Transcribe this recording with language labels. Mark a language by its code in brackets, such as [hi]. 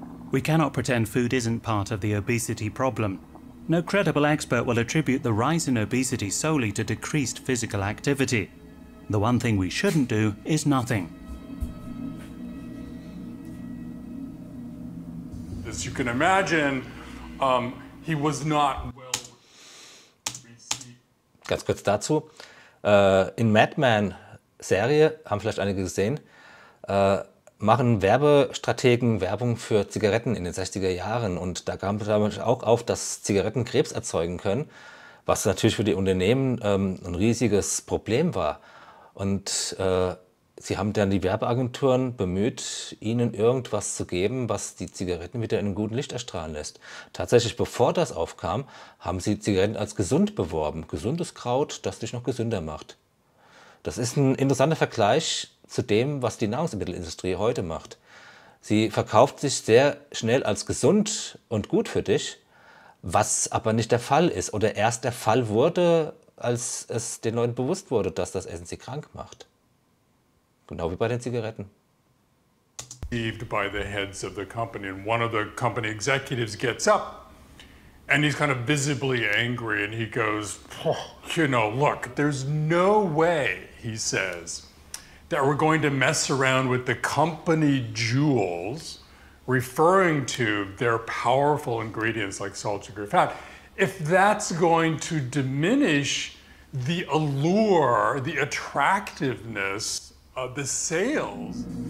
[en] We cannot pretend food isn't part of the obesity problem. No credible expert will attribute the rise in obesity solely to decreased physical activity. The one thing we shouldn't do is nothing. As you can imagine, he was not well received. [de] Ganz kurz dazu. In Madman-Serie, haben vielleicht einige gesehen, machen Werbestrategen Werbung für Zigaretten in den 60er Jahren. Und da kam damals auch auf, dass Zigaretten Krebs erzeugen können, was natürlich für die Unternehmen ein riesiges Problem war. Und sie haben dann die Werbeagenturen bemüht, ihnen irgendwas zu geben, was die Zigaretten wieder in einem guten Licht erstrahlen lässt. Tatsächlich, bevor das aufkam, haben sie Zigaretten als gesund beworben. Gesundes Kraut, das dich noch gesünder macht. Das ist ein interessanter Vergleich zu dem, was die Nahrungsmittelindustrie heute macht. Sie verkauft sich sehr schnell als gesund und gut für dich, was aber nicht der Fall ist oder erst der Fall wurde, als es den Leuten bewusst wurde, dass das Essen sie krank macht. Genau wie bei den Zigaretten. [en] Received by the heads of the company, and one of the company executives gets up and he's kind of visibly angry and he goes, you know, look, there's no way, he says, that we're going to mess around with the company jewels, referring to their powerful ingredients like salt, sugar, fat, if that's going to diminish the allure, the attractiveness of the sales.